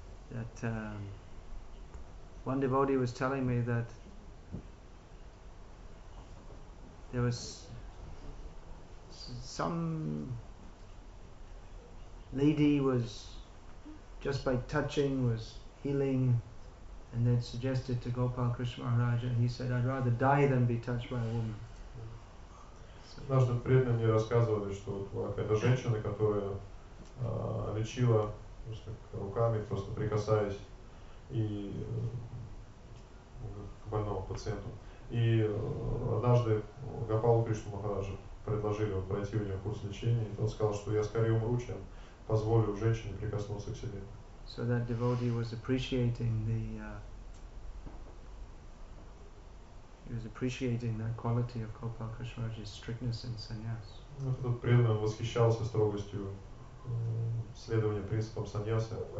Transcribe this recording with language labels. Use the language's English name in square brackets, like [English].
[English] That one devotee was telling me that there was some lady was just by touching was healing, and then suggested to Gopal Krishna Maharaj, and he said, "I'd rather die than be touched by a woman." [Russian] Однажды преданные мне рассказывали, что какая-то женщина, которая лечила просто руками, просто прикасаясь и к больному пациенту. И однажды Гопалу Кришну Махараджу предложили пройти у него курс лечения, и он сказал, что я скорее умру, чем позволю женщине прикоснуться к себе. [English] So that devotee was appreciating the he was appreciating that quality of Gopal Krishnaraj's strictness in sannyas. [Russian] Вот этот преданный восхищался строгостью следование принципам саньяса.